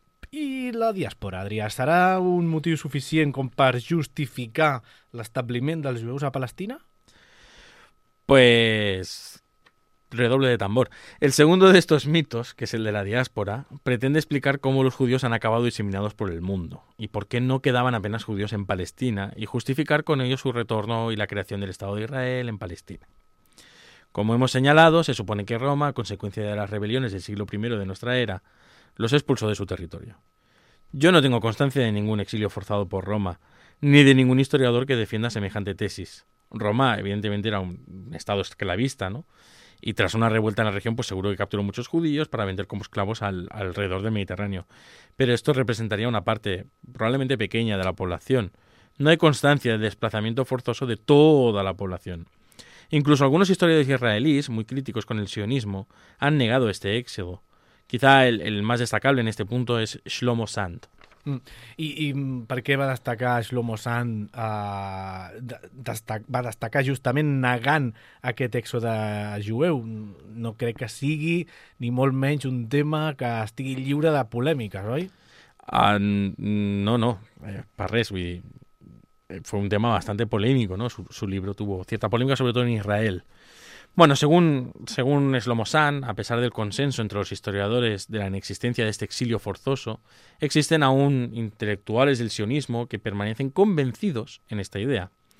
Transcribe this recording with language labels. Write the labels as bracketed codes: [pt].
[ca] I la diàspora, Adrià, serà un motiu suficient com per justificar l'establiment dels jueus a Palestina? [es] Pues... redoble de tambor. El segundo de estos mitos, que es el de la diáspora, pretende explicar cómo los judíos han acabado diseminados por el mundo y por qué no quedaban apenas judíos en Palestina y justificar con ello su retorno y la creación del Estado de Israel en Palestina. Como hemos señalado, se supone que Roma, a consecuencia de las rebeliones del siglo I de nuestra era, los expulsó de su territorio. Yo no tengo constancia de ningún exilio forzado por Roma, ni de ningún historiador que defienda semejante tesis. Roma, evidentemente, era un estado esclavista, ¿no? Y tras una revuelta en la región, pues seguro que capturó muchos judíos para vender como esclavos alrededor del Mediterráneo. Pero esto representaría una parte, probablemente pequeña, de la población. No hay constancia de desplazamiento forzoso de toda la población. Incluso algunos historiadores israelíes, muy críticos con el sionismo, han negado este éxodo. Quizá el más destacable en este punto es Shlomo Sand. [ca] I per què va destacar Shlomo Sand? Va destacar justament negant aquest èxode jueu. No crec que sigui ni molt menys un tema que estigui lliure de polèmiques, oi? No. Per res, vull dir... [es] Fue un tema bastante polémico, ¿no? Su libro tuvo cierta polémica, sobre todo en Israel. Bueno, según Shlomo Sand, a pesar del consenso entre los historiadores de la inexistencia de este exilio forzoso, existen aún intelectuales del sionismo que permanecen convencidos en esta idea.